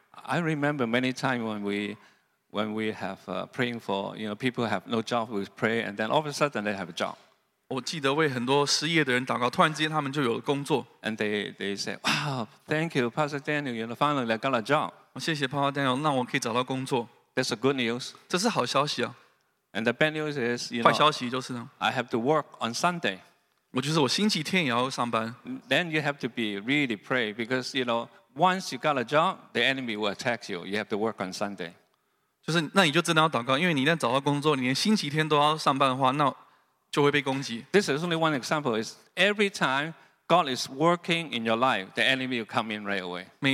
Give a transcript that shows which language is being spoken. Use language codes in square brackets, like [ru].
[en] I remember many times when we have praying for, you know, people have no job, we pray, and then all of a sudden they have a job. [zh] 我记得为很多失业的人祷告, 突然间他们就有了工作。 [en] And they say, wow, thank you, Pastor Daniel, you know, finally I got a job. [zh] 谢谢 Pastor Daniel, 让我可以找到工作。 [en] That's a good news. [zh] 这是好消息啊。 [en] And the bad news is, you know, [zh] 坏消息就是呢, [en] I have to work on Sunday. [zh] 我就是我星期天也要上班。 [en] Then you have to be really pray, because, you know, once you got a job, the enemy will attack you. You have to work on Sunday. [zh] 就是那你就真的要祷告，因为你一旦找到工作，你连星期天都要上班的话，那就会被攻击。 [en] This is only one example. Is every time God is working in your life, the enemy will come in right away.